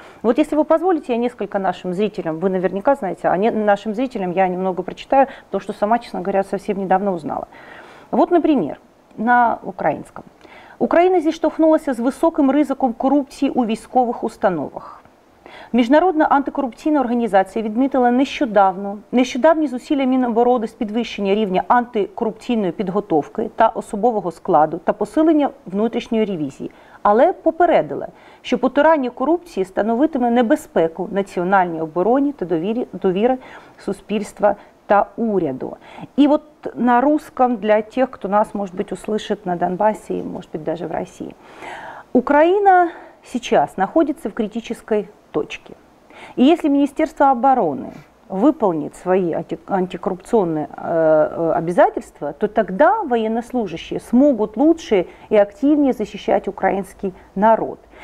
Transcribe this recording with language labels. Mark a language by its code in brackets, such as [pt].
[ru] Вот если вы позволите, я несколько нашим зрителям, вы наверняка знаете, а нашим зрителям я немного прочитаю то, что сама, честно говоря, совсем недавно узнала. Вот, например, на украинском. [uk] Украина здесь столкнулась с высоким риском коррупции у військових установах. Міжнародна антикорупційна організація відмітила нещодавні зусилля Міноборони з підвищення рівня антикорупційної підготовки та особового складу та посилення внутрішньої ревізії, але попередила, що потурання корупції становитиме небезпеку національній обороні та довіри суспільства та уряду. І от на русском для тих, хто нас, може бути, услышить на Донбасі, може бути, навіть в Росії. [ru] Україна сейчас находится в критической точке. И если Министерство обороны выполнит свои антикоррупционные обязательства, то тогда военнослужащие смогут лучше и активнее защищать украинский народ.